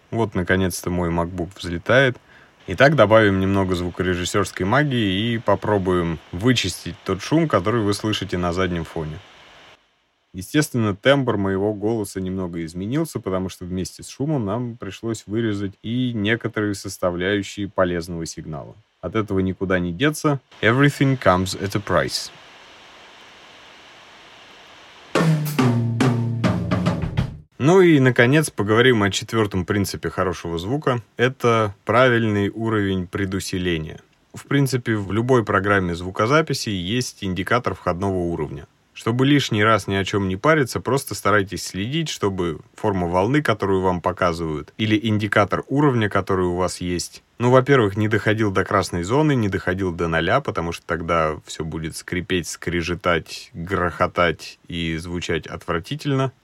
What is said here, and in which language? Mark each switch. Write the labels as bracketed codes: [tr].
[ru] Вот, наконец-то, мой MacBook взлетает. Итак, добавим немного звукорежиссерской магии и попробуем вычистить тот шум, который вы слышите на заднем фоне. Естественно, тембр моего голоса немного изменился, потому что вместе с шумом нам пришлось вырезать и некоторые составляющие полезного сигнала. От этого никуда не деться. [en] Everything comes at a price. [ru] Наконец, поговорим о четвертом принципе хорошего звука. Это правильный уровень предусиления. В принципе, в любой программе звукозаписи есть индикатор входного уровня. Чтобы лишний раз ни о чем не париться, просто старайтесь следить, чтобы форма волны, которую вам показывают, или индикатор уровня, который у вас есть, во-первых, не доходил до красной зоны, не доходил до нуля, потому что тогда все будет скрипеть, скрежетать, грохотать и звучать отвратительно.